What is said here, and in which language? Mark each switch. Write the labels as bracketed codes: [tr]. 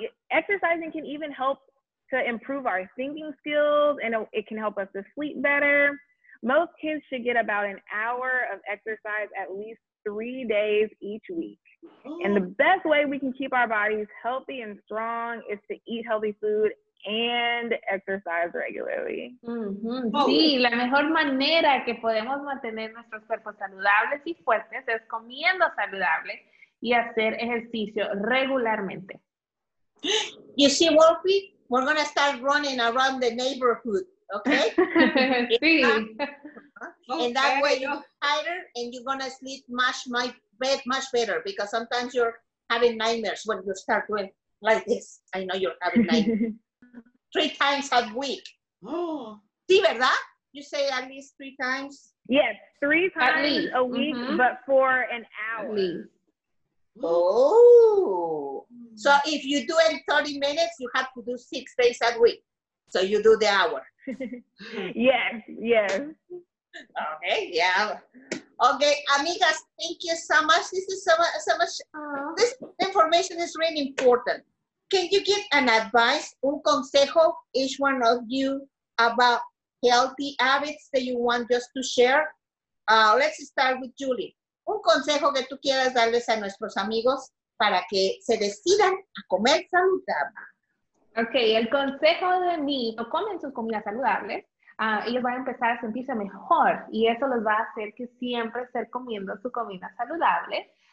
[en] Exercising can even help to improve our thinking skills, and it can help us to sleep better. Most kids should get about an hour of exercise at least 3 days each week. And the best way we can keep our bodies healthy and strong is to eat healthy food and exercise regularly. Mm-hmm. [es] Sí, la mejor manera que podemos mantener nuestros cuerpos saludables y fuertes es comiendo saludable y hacer ejercicio regularmente. [en] You see, Wolfie? We're gonna start running around the neighborhood, okay? [es] Sí. [en] And that way you're tired and you're gonna sleep much better, because sometimes you're having nightmares when you start doing like this. I know you're having nightmares. 3 times a week. [es] Sí, ¿verdad? [en] You say at least 3 times? Yes, 3 times a week, but for an hour. So if you do it 30 minutes, you have to do 6 days a week. So you do the hour. Yes. Okay, amigas, thank you so much. This is so much. This information is really important. Can you give an advice, [es] un consejo, [en] each one of you, about healthy habits that you want just to share? Let's start with Julie. [es] Un consejo que tú quieras darles a nuestros amigos para que se decidan a comer saludable. Okay, el consejo de mí, no comen sus comidas saludables, ellos van a empezar a sentirse mejor, y eso los va a hacer que siempre estén comiendo su comida saludable.